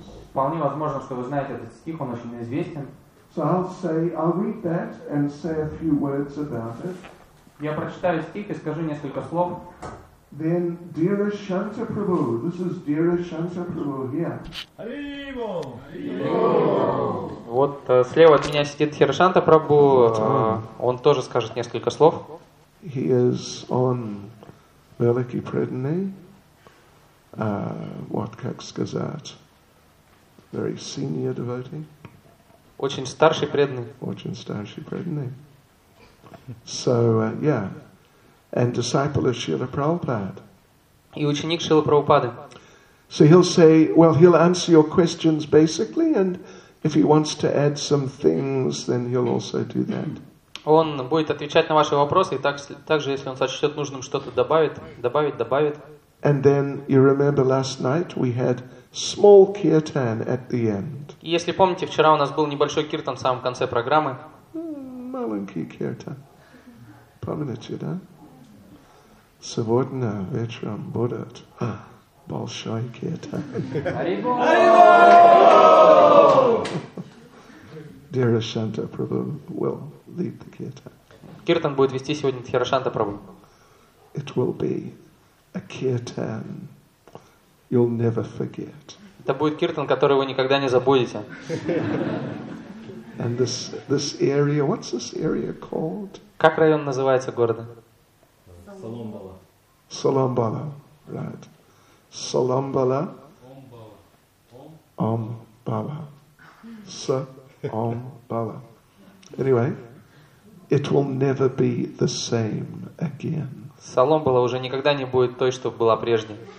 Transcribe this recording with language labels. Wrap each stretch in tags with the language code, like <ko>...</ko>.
<ru>Вполне возможно, что вы знаете этот стих, он очень известен.</ru> <en>So I'll read that and say a few words about it.</en> <ru>Я прочитаю стих и скажу несколько слов.</ru> <en>Then Dheerashanta Prabhu, this is Dheerashanta Prabhu here. Hariwo.</en> <ru>Вот слева от меня сидит Dheerashanta Prabhu, он тоже скажет несколько слов.</ru> <en>He is on Veliki Predni. What</en> <ru>как сказать?</ru> <en>Very senior devotee.</en> <ru>Очень старший преданный. Очень старший преданный.</ru> <en>So, yeah. And disciple of Srila Prabhupada.</en> <ru>И ученик Шрилы Прабхупады.</ru> <en>So he'll say, well, he'll answer your questions basically, and if he wants to add some things, then he'll also do that.</en> <ru>Он будет отвечать на ваши вопросы, и также, если он сочтет нужным, что-то добавит.</ru> <en>And then, you remember last night, we had small kirtan at the end.</en> <ru>Если помните, вчера у нас был небольшой киртан в самом конце программы. Маленький киртан. Помните, да? Сегодня вечером будет большой киртан.</ru> <en>Dheerashanta Prabhu will lead the kirtan.</en> <ru>Киртан будет вести сегодня Dheerashanta Prabhu.</ru> <en>It will be a kirtan you'll never forget.</en> <ru>Это будет киртан, который вы никогда не забудете.</ru> <en>And this area, what's this area called?</en> <ru>Как район называется города? Соломбала. Соломбала, right. Соломбала. Омбала. Омбала.</ru> <en>Anyway, it will never be the same again.</en> <ru>Соломбала уже никогда не будет той, что была прежней.</ru>